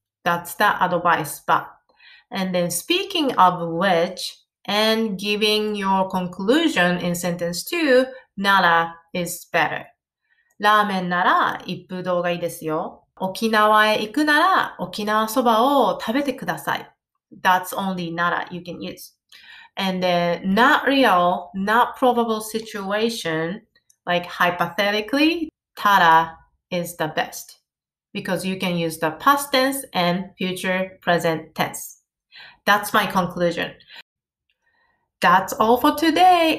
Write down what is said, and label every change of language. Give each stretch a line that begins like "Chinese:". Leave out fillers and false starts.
English: That's the advice, ba. And then speaking of which, and giving your conclusion in sentence two, nara is better.
Japanese: ラーメンなら一風堂がいいですよ。沖縄へ行くなら沖縄そばを食べてください。
English: That's only nara you can use. And then not real, not probable situation, like hypothetically, tara is the best. Because you can use the past tense and future present tense. That's my conclusion. That's all for today.